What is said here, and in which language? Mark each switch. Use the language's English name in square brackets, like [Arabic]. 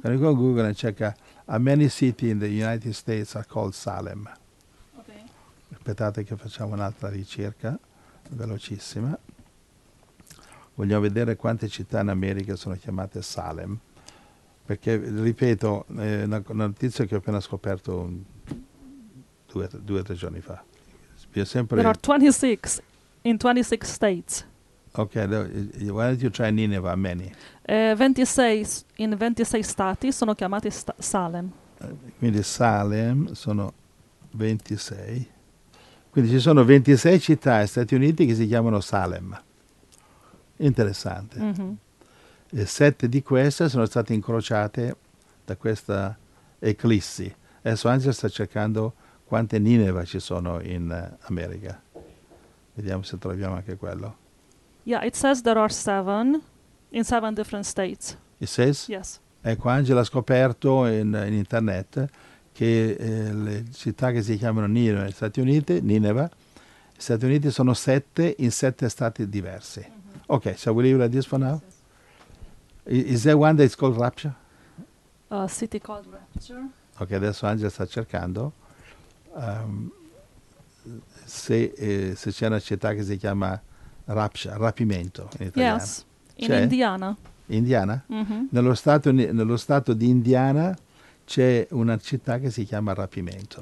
[English] Can you go on Google and check how many cities in the United States are called Salem? Okay. [Italian] Aspettate che facciamo un'altra ricerca velocissima. Vogliamo vedere quante città in America sono chiamate Salem. Perché, ripeto, è una notizia che ho appena scoperto due o tre giorni fa. Sempre [English] there are 26 in 26 states. Ok, why don't you try Nineveh, many? [Italian] 26, in 26 stati sono chiamati Salem. Quindi Salem sono 26. Quindi ci sono 26 città negli Stati Uniti che si chiamano Salem. Interessante. Mm-hmm. E 7 di queste sono state incrociate da questa eclissi. Adesso Angela sta cercando quante Nineveh ci sono in America. Vediamo se troviamo anche quello. [English] Yeah, it says there are 7 in 7 different states. It says? Yes. [Italian] Ecco, Angela ha scoperto in internet che le città che si chiamano Nineveh, Stati Uniti, Nineveh, Stati Uniti sono 7 in 7 stati diversi. Mm-hmm. [English] Okay, shall we leave it at this for now? Is there one that is called Rapture? A city called Rapture. [Italian] Okay, adesso Angela sta cercando se c'è una città che si chiama rapimento in italiano. [English] Yes, in c'è? Indiana. Indiana? Mm-hmm. [Italian] Nello stato di Indiana c'è una città che si chiama Rapimento.